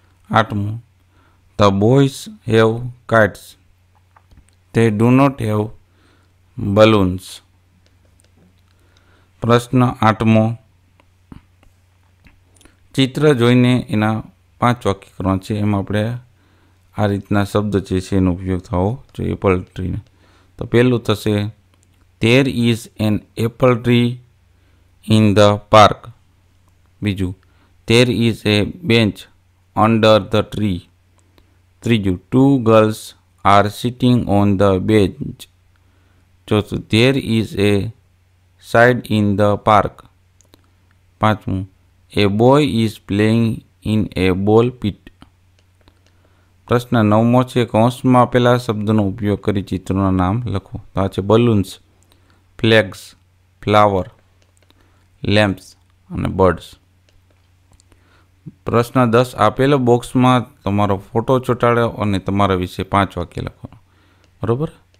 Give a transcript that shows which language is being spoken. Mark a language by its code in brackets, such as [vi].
[en] આઠમું the boys have kites, they do not have balloons. [gu] પ્રશ્ન આઠમો, ચિત્ર જોઈને એના પાંચ વાક્ય કરવાના છે. એમાં આપણે આ રીતના શબ્દ છે એનો ઉપયોગ થવો જોઈએ પલટ્રીને. તો પહેલું થશે [en] There is an apple tree in the park. Biju. There is a bench under the tree. Triju. Two girls are sitting on the bench. Chotu. There is a side in the park. Panchmu. A boy is playing in a ball pit. [gu] પ્રશ્ન નવમો છે. કૌંસમાં પેલા શબ્દનો ઉપયોગ કરી ચિત્રોના નામ લખો. તો આ છે બલૂન્સ, ફ્લેગ્સ, ફ્લાવર, લેમ્પ્સ અને બર્ડ્સ. પ્રશ્ન દસ. આપેલો બોક્સમાં તમારો ફોટો ચોંટાડો અને તમારા વિશે પાંચ વાક્ય લખો. બરાબર.